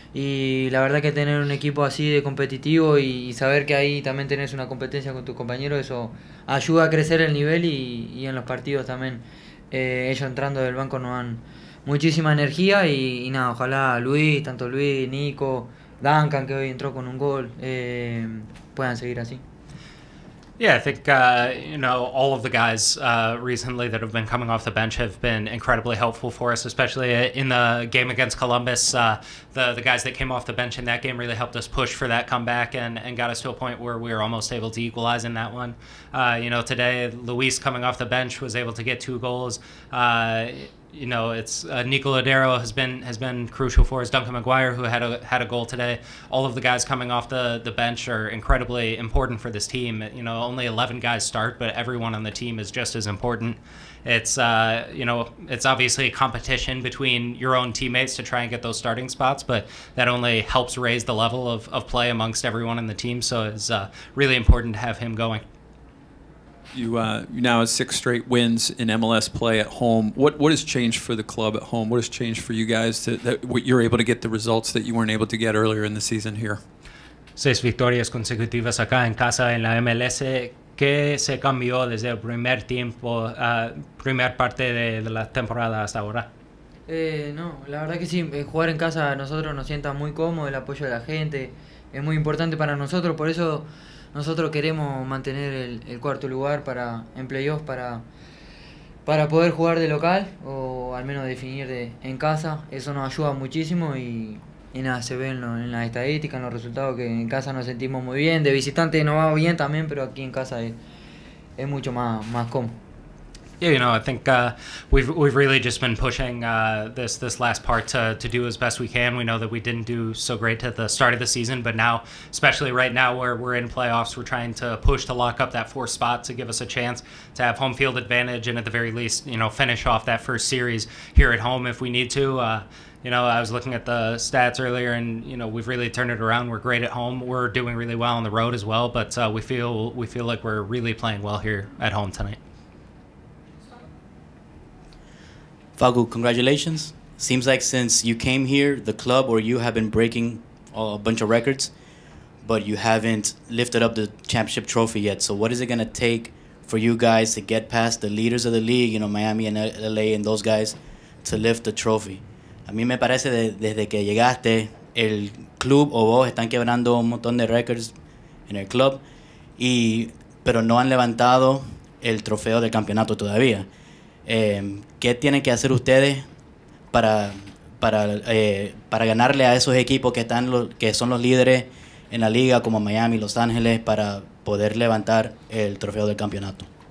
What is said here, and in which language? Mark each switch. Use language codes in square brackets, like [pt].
[es] Y la verdad que tener un equipo así de competitivo y saber que ahí también tenés una competencia con tus compañeros, eso ayuda a crecer el nivel y en los partidos también. Ellos entrando del banco nos dan muchísima energía y nada, ojalá Luis, tanto Luis, Nico, Duncan, que hoy entró con un gol, puedan seguir así. [en] Yeah, I think you know, all of the guys recently that have been coming off the bench have been incredibly helpful for us, especially in the game against Columbus. The guys that came off the bench in that game really helped us push for that comeback and got us to a point where we were almost able to equalize in that one. You know, today Luis coming off the bench was able to get two goals. You know, it's Nicoladero has been crucial for us. Duncan McGuire, who had a goal today. All of the guys coming off the bench are incredibly important for this team. You know, only 11 guys start, but everyone on the team is just as important. It's you know, it's obviously a competition between your own teammates to try and get those starting spots, but that only helps raise the level of play amongst everyone in the team. So it's really important to have him going. You now have six straight wins in MLS play at home. What has changed for the club at home? What has changed for you guys that you're able to get the results that you weren't able to get earlier in the season here? [es] Seis victorias consecutivas acá en casa en la MLS. ¿Qué se cambió desde el primer tiempo, primer parte de la temporada hasta ahora? No, la verdad que sí, jugar en casa a nosotros nos sienta muy cómodo, el apoyo de la gente es muy importante para nosotros, por eso nosotros queremos mantener el cuarto lugar para en playoffs para poder jugar de local o al menos definir de en casa. Eso nos ayuda muchísimo y nada, se ve en las estadísticas, en los resultados, que en casa nos sentimos muy bien. De visitante nos va bien también, pero aquí en casa es mucho más cómodo. [en] Yeah, you know, I think we've really just been pushing this last part to do as best we can. We know that we didn't do so great at the start of the season, but now, especially right now where we're in playoffs, we're trying to push to lock up that fourth spot to give us a chance to have home field advantage and at the very least, you know, finish off that first series here at home if we need to. You know, I was looking at the stats earlier and, you know, we've really turned it around. We're great at home. We're doing really well on the road as well, but we feel like we're really playing well here at home tonight. Facu, congratulations. Seems like since you came here, the club or you have been breaking a bunch of records, but you haven't lifted up the championship trophy yet. So what is it going to take for you guys to get past the leaders of the league, you know, Miami and LA and those guys, to lift the trophy? [es] A mí me parece desde que llegaste, el club o vos están quebrando un montón de records en el club, y, pero no han levantado el trofeo del campeonato todavía. ¿Qué tienen que hacer ustedes para ganarle a esos equipos que son los líderes en la liga como Miami, Los Ángeles, para poder levantar el trofeo del campeonato?